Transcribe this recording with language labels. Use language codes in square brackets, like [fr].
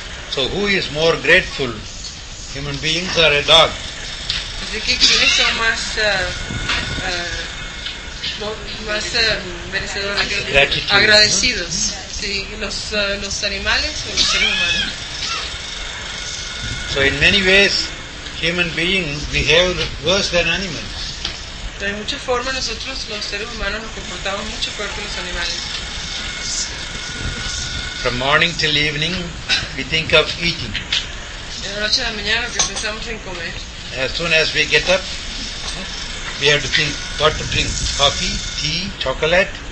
[en] So who is more grateful, human beings or a dog? [es] Así que quiénes son más merecedores, agradecidos, sí, los animales o los seres humanos. [en] So in many ways, human beings behave worse than animals. [es] De muchas formas nosotros los seres humanos nos comportamos mucho peor que los animales. [en] From morning till evening, we think of eating. As soon as we get up, we have to think what to drink: coffee, tea, chocolate.